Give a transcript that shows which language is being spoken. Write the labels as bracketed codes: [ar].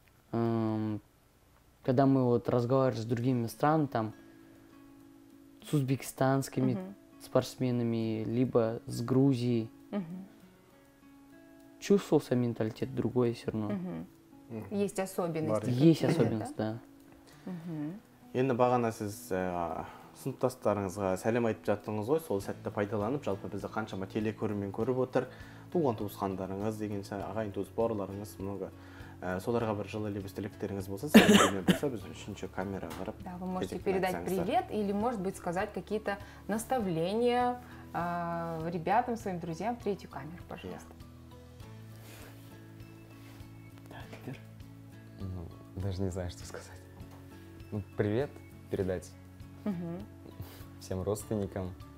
[ru] Когда мы вот разговаривали с другими странами, там, с узбекистанскими спортсменами, либо с Грузией, чувствовался менталитет другой все равно. Есть особенности. Есть особенности, да. [kk] Енді бағана сіз сыныптастарыңызға сәлем айтып жаттыңыз ғой, сол сәтті пайдаланып, жалпы бізді қаншама телекөрімен көріп отыр, туған-туысқандарыңыз деген сәлем, ағайын-туыс бауырларыңыз, много. Соларға бір жылы лебізділіктеріңіз болса, сәлем болса, біз үшінші камера қарып. [ru] Да, вы можете передать привет или, может быть, сказать какие-то наставления ребятам, своим друзьям в третью камеру, пожалуйста. Даже не знаю, что сказать. Ну, привет передать всем родственникам.